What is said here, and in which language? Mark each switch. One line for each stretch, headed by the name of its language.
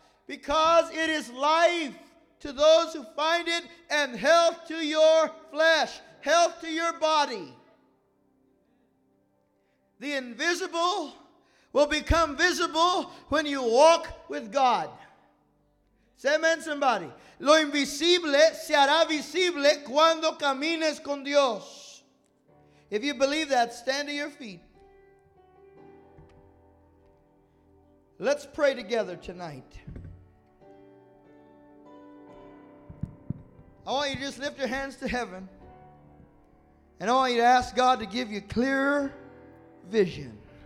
English: Because it is life to those who find it and health to your flesh, health to your body. The invisible will become visible when you walk with God. Say amen, somebody.
Spanish: Lo invisible se hará visible cuando camines con Dios.
English: If you believe that, stand to your feet. Let's pray together tonight. I want you to just lift your hands to heaven. And I want you to ask God to give you clearer vision.